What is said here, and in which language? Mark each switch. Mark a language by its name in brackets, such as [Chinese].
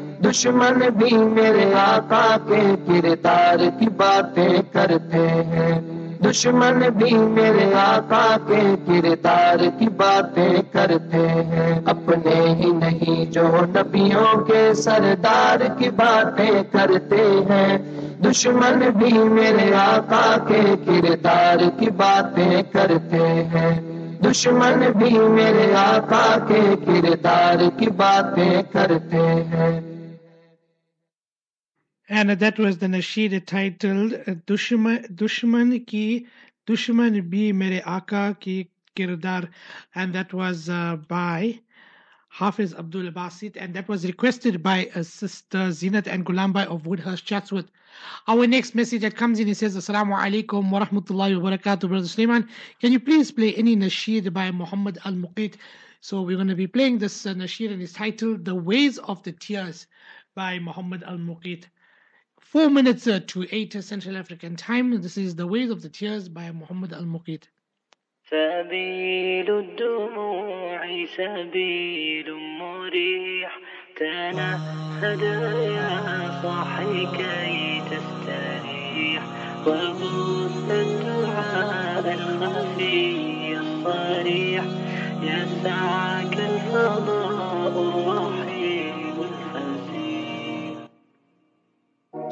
[Urdu] دشمن بھی میرے آقا کے کردار کی باتیں کرتے ہیں دشمن بھی میرے آقا کے کردار کی باتیں کرتے ہیں اپنے ہی نہیں جو نبیوں کے سردار کی باتیں کرتے ہیں دشمن بھی میرے آقا کے کردار کی باتیں کرتے ہیں دشمن بھی میرے آقا کے کردار کی باتیں کرتے ہیں [English] And that was the nasheed titled Dushman Ki Dushman Bhi Mere Aka Ki Kirdar. And that was by Hafiz Abdul Basit, and that was requested by Sister Zinat and Gulambai of Woodhurst, Chatswood. Our next message that comes in, he says, Assalamu alaikum wa rahmatullahi wa barakatuh, Brother Sulaiman. Can you please play any nasheed by Muhammad Al Muqit? So we're going to be playing this nasheed, and it's titled The Ways of the Tears by Muhammad Al Muqit. 4 minutes to 8 Central African time. This is The Ways of the Tears by Muhammad Al Muqit. [Arabic] سبيل الدموع سبيل مريح تنهد يا صاحي كي تستريح وبص الدعاء الخفي الصريح يسعك الفضاء الرحيم الفزيح